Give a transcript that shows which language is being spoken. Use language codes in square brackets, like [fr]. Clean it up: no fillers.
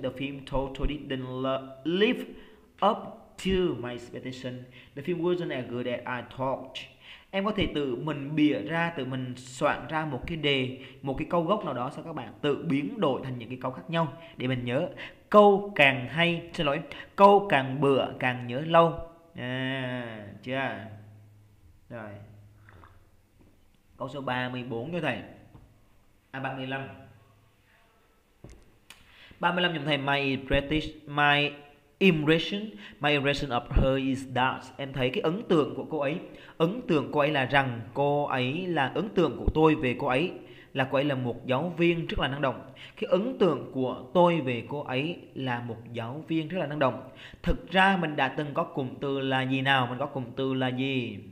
[en] The film totally didn't live up to my expectation. The film wasn't as good as I thought. [vi] Em có thể tự mình bịa ra, tự mình soạn ra một cái đề, một cái câu gốc nào đó, sau các bạn tự biến đổi thành những cái câu khác nhau để mình nhớ. Câu càng hay, xin lỗi, câu càng bựa càng nhớ lâu. À, chưa? Rồi. Câu số 34 cho thầy. À, 35. 35 dùng thầy. [en] My British, my impression, my impression of her is that. [vi] Em thấy cái ấn tượng của cô ấy, ấn tượng cô ấy là rằng, cô ấy là, ấn tượng của tôi về cô ấy là cô ấy là một giáo viên rất là năng động. Cái ấn tượng của tôi về cô ấy là một giáo viên rất là năng động. Thực ra mình đã từng có cụm từ là gì nào? Mình có cụm từ là gì?